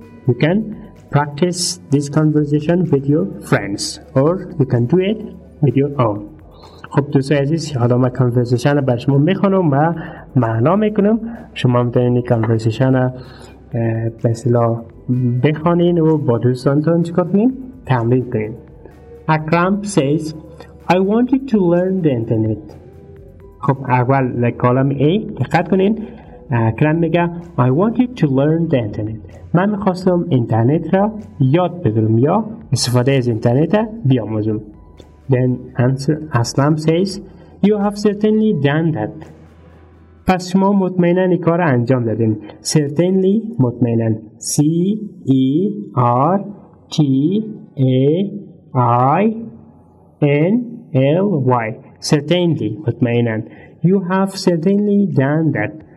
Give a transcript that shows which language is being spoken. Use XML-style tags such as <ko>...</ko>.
<en>You can practice this conversation with your friends, or you can do it with your own.</en> <fa>خب دوستای عزیز، حالا ما کانورسیشن را برای شما میخوانم و معنا میکنم. شما میتونین این کانورسیشن را به اصطلاح بخوانین و با دوستانتون چیکار کنین؟ تمرین کنین.</fa> <en>Akram says I want you to learn the internet.</en> <fa>خب اول کالم A دقت کنین.</fa> <en>Akram میگه I want you to learn the internet.</en> <fa>من میخواستم اینترنت را یاد بگیرم یا استفاده از اینترنت را بیاموزم.</fa> <en>Then answer Aslam says you have certainly done that.</en> <fa>پس شما مطمئنن این کار انجام دادین.</fa> <en>Certainly مطمئنن. C-E-R-T-A-I-N-L-Y. Certainly مطمئنن. You have certainly done that.</en>